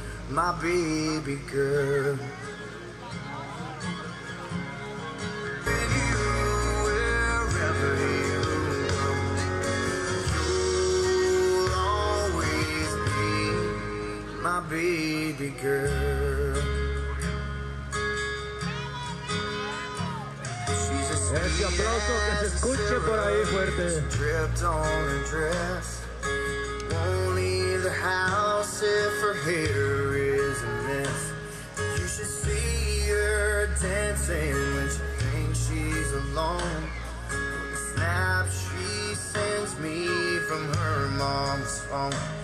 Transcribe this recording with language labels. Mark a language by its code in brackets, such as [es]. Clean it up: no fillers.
[en] My baby girl. And you, wherever you go, you'll always be my baby girl. [es] Ese aplauso que se escuche por ahí fuerte. [en] Dripped on her dress. Won't leave the house if her hair is a mess. You should see her dancing when she thinks she's alone. The snap she sends me from her mom's phone.